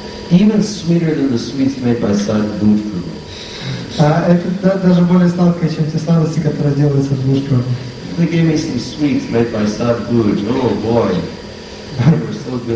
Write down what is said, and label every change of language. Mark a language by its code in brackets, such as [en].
[en] Even sweeter than the sweets made by Sadhguru. [ru] Это даже более сладкое, чем те сладости, которые делаются в Садхгуру. [en] They gave me some sweets made by Sadhguru. Oh boy, they were so